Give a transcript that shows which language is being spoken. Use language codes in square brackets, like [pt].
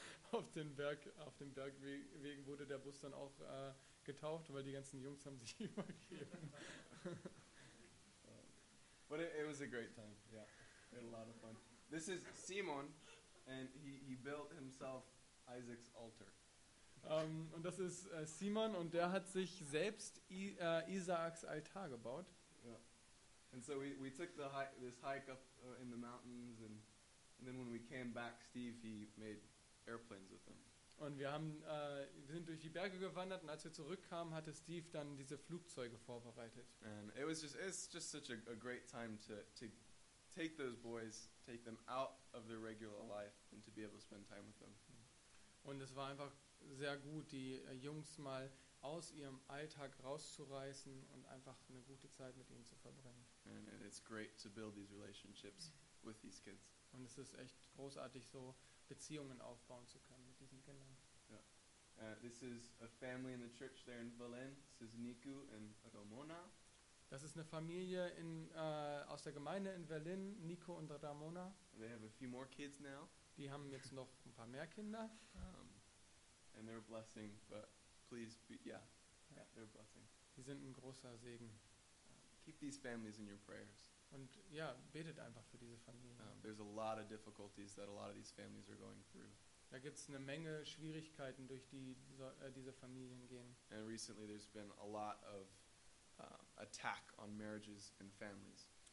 [de] auf dem Bergwegen wurde der Bus dann auch getauft, weil die ganzen Jungs haben sich übergeben. [en] But it was a great time. Yeah. We had a lot of fun. This is Simon, and he built himself Isaac's altar. [de] Und das ist Simon, und der hat sich selbst Isaaks Altar gebaut. [en] Yeah. And so we took this hike up in the mountains, and then when we came back, Steve, he made airplanes with them. [de] Und wir sind durch die Berge gewandert, und als wir zurückkamen, hatte Steve dann diese Flugzeuge vorbereitet. [en] And it was just such a great time to take those boys, take them out of their regular life, and to be able to spend time with them. [de] Und es war einfach sehr gut, die Jungs mal aus ihrem Alltag rauszureißen und einfach eine gute Zeit mit ihnen zu verbringen. [en] And it's great to build these relationships with these kids. [de] Und es ist echt großartig, so Beziehungen aufbauen zu können mit diesen Kindern. [en] Yeah. This is a family in the church there in Valen. This is Niku and Ramona. [de] Das ist eine Familie aus der Gemeinde in Valen, Niku und Ramona. [en] They have a few more kids now. [de] Die haben jetzt noch ein paar mehr Kinder. [en] And they're a blessing, but please, yeah, they're a blessing. [de] Sie sind ein großer Segen. [en] Keep these families in your prayers. [de] Und ja, betet einfach für diese Familien. [en] There's a lot of difficulties that a lot of these families are going through. [de] Da gibt's eine Menge Schwierigkeiten, durch die diese Familien gehen. [en] And recently, there's been a lot of attack on marriages and families.